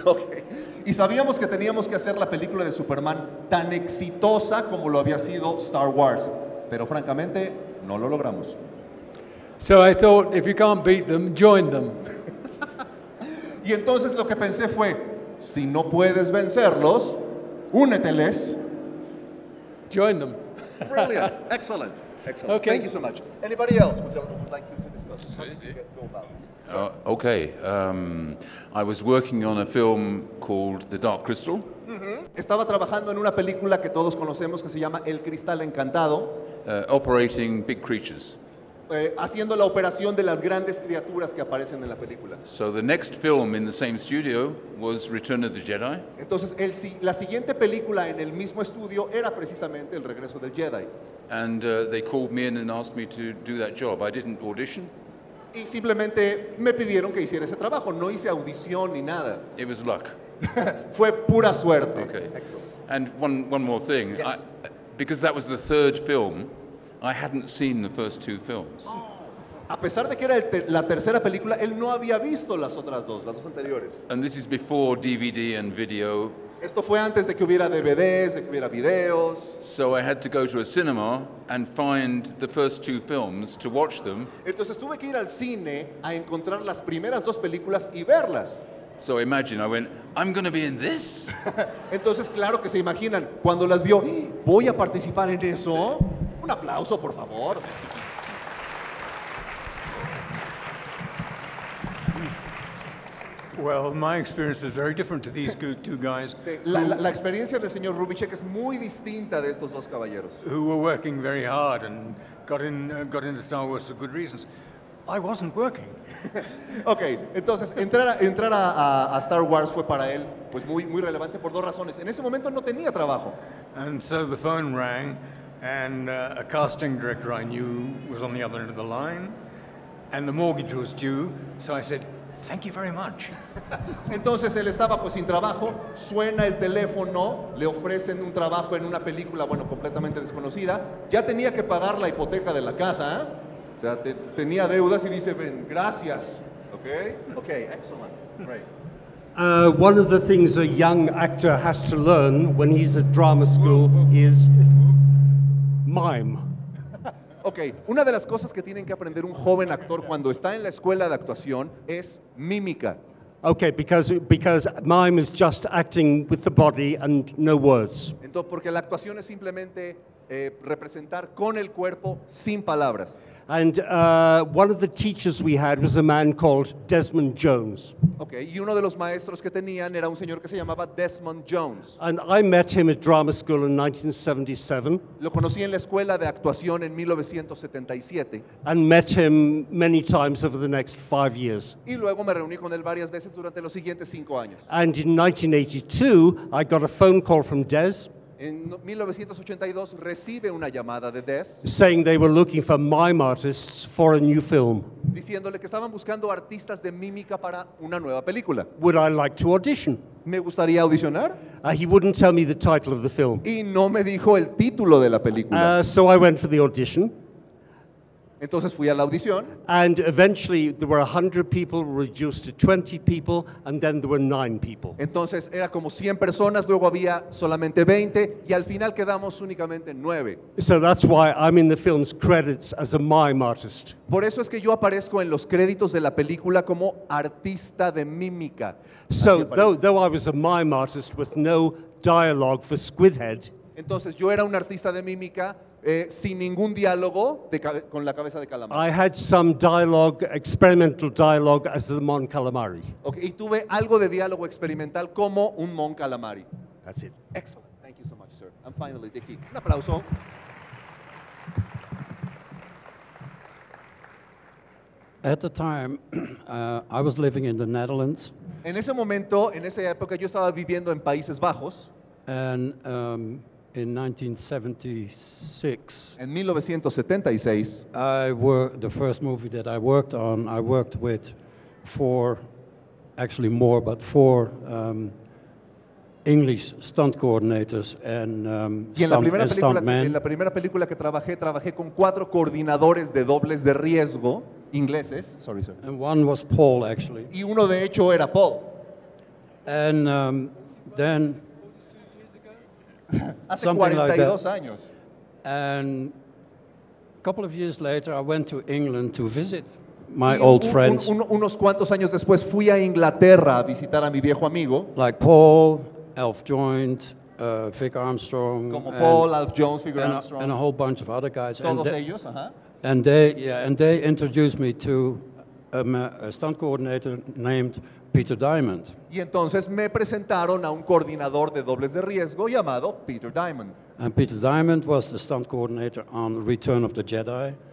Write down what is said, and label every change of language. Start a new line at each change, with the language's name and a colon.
Spanish: Okay. Y sabíamos que teníamos que hacer la película de Superman tan exitosa como lo había sido Star Wars, pero francamente, no lo logramos.
English: So I thought, if you can't beat them, join them.
Spanish: Y entonces lo que pensé fue, si no puedes vencerlos, úneteles.
English: Join them. Brilliant. Excellent. Excellent. Okay. Thank you so much. Anybody else would like to discuss? How did you go about it? Okay. I was working on a film called The Dark Crystal.
Spanish: Estaba trabajando en una película que todos conocemos que se llama El Cristal Encantado.
English: Operating big creatures.
Spanish: Haciendo la operación de las grandes criaturas que aparecen en la película.
English: So the next film in the same studio was Return of the Jedi.
Spanish: Entonces, la siguiente película en el mismo estudio era precisamente El Regreso del Jedi.
English: And they called me in and asked me to do that job. I didn't audition.
Spanish: Y simplemente me pidieron que hiciera ese trabajo. No hice audición ni nada.
English: It was luck.
Spanish: Fue pura suerte.
English: Okay. Excellent. And one more thing. Yes. Because that was the third film, I hadn't seen the first two films.
Spanish: A pesar de que era la tercera película, él no había visto las otras dos, las dos anteriores.
English: And this is before DVD and video.
Spanish: Esto fue antes de que hubiera DVDs, de que hubiera videos.
English: So I had to go to a cinema and find the first two films to watch them.
Spanish: Entonces tuve que ir al cine a encontrar las primeras dos películas y verlas.
English: So imagine, I went, I'm going to be in this.
Spanish: Entonces claro que se imaginan, cuando las vio, voy a participar en eso. Un aplauso, por favor.
English: Well, my experience is very different to these two guys.
Spanish: La experiencia del señor Roubicek es muy distinta de estos dos caballeros.
English: Who were working very hard and got into Star Wars for good reasons. I wasn't working.
Spanish: Okay, entonces entrar a Star Wars fue para él pues muy muy relevante por dos razones. En ese momento no tenía trabajo.
English: And so the phone rang. And a casting director I knew was on the other end of the line, and the mortgage was due, so I said, thank you very much.
Spanish: Entonces él estaba pues sin trabajo, suena el teléfono, le ofrecen un trabajo en una película, bueno, completamente desconocida, ya tenía que pagar la hipoteca de la casa, ¿eh? O sea, tenía deudas y dice, ven, gracias.
English: Okay? Okay, excellent. Great. One of the things a young actor has to learn when he's at drama school is mime.
Spanish: Okay, una de las cosas que tienen que aprender un joven actor cuando está en la escuela de actuación es mímica.
English: Okay, because mime is just acting with the body and no words.
Spanish: Entonces, porque la actuación es simplemente representar con el cuerpo sin palabras.
English: And one of the teachers we had was a man called Desmond Jones.
Spanish: Okay, y uno de los maestros que tenían era un señor que se llamaba Desmond Jones.
English: And I met him at drama school in 1977.
Spanish: Lo conocí en la escuela de actuación en 1977.
English: And met him many times over the next 5 years.
Spanish: Y luego me reuní con él varias veces durante los siguientes 5 años.
English: And in 1982, I got a phone call from Des.
Spanish: En 1982 recibe una llamada de Des
English: saying they were looking for mime artists for a new film.
Spanish: Diciéndole que estaban buscando artistas de mímica para una nueva película.
English: Would I like to audition?
Spanish: ¿Me gustaría audicionar?
English: He wouldn't tell me the title of the film.
Spanish: Y no me dijo el título de la película.
English: So I went for the audition.
Spanish: Entonces fui a la audición.
English: And eventually there were 100 people reduced to 20 people and then there were 9 people.
Spanish: Entonces era como 100 personas, luego había solamente 20 y al final quedamos únicamente 9.
English: So that's why I'm in the film's credits as a mime artist.
Spanish: Por eso es que yo aparezco en los créditos de la película como artista de mímica.
English: So though I was a mime artist with no dialogue for Squidhead.
Spanish: Entonces yo era un artista de mímica sin ningún diálogo con la cabeza de calamar.
English: I had some dialogue, experimental dialogue as the mon calamari.
Spanish: Okay, y tuve algo de diálogo experimental como un mon calamari.
English: That's it. Excellent. Thank you so much, sir. And finally, Dickey.
Spanish: Un aplauso.
English: At the time, I was living in the Netherlands.
Spanish: En ese momento, en esa época, yo estaba viviendo en Países Bajos.
English: And in 1976,
Spanish: en 1976,
English: the first movie that I worked on, I worked with four English stunt coordinators and stuntmen.
Spanish: En la primera película que trabajé con cuatro coordinadores de dobles de riesgo ingleses.
English: Sorry, sir. And one was Paul, actually.
Spanish: Y uno de hecho era Paul.
English: And then. Something like that. Años. And a couple of years later, I went to England to visit my old friends.
Spanish: Unos cuantos años después, fui a Inglaterra a visitar a mi viejo amigo.
English: Like Paul, Alf Joint, Vic Armstrong.
Spanish: Como Paul, Alf Jones, Vic Armstrong.
English: And a whole bunch of other guys.
Spanish: Todos
English: and
Spanish: ellos,
English: And they introduced me to a stunt coordinator named Peter Diamond.
Spanish: Y entonces me presentaron a un coordinador de dobles de riesgo llamado Peter Diamond.
English: And Peter Diamond was the stunt coordinator on Return of the Jedi.